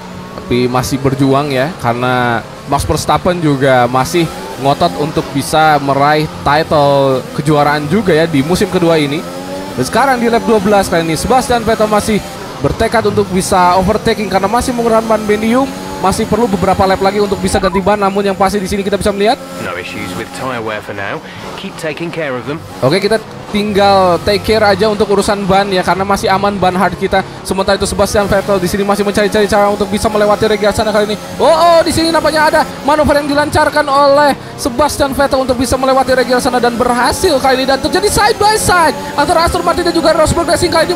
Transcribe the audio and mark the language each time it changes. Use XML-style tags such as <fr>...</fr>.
<id>Tapi masih berjuang ya, karena Max Verstappen juga masih ngotot untuk bisa meraih title kejuaraan juga ya di musim kedua ini. Dan sekarang di lap 12 kali ini Sebastian Vettel masih bertekad untuk bisa overtaking karena masih menggunakan ban medium, masih perlu beberapa lap lagi untuk bisa ganti ban. Namun yang pasti di sini kita bisa melihat</id> <en>no issues with tire wear for now. Keep taking care of them.</en> <id>Oke, kita tinggal take care aja untuk urusan ban ya, karena masih aman ban hard kita. Sementara itu Sebastian Vettel di sini masih mencari-cari cara untuk bisa melewati Reggie Arsana kali ini. Di sini nampaknya ada manuver yang dilancarkan oleh Sebastian Vettel untuk bisa melewati Reggie Arsana, dan berhasil kali ini. Dan terjadi side by side antara Aston Martin dan juga Rosberg Racing kali ini.</id>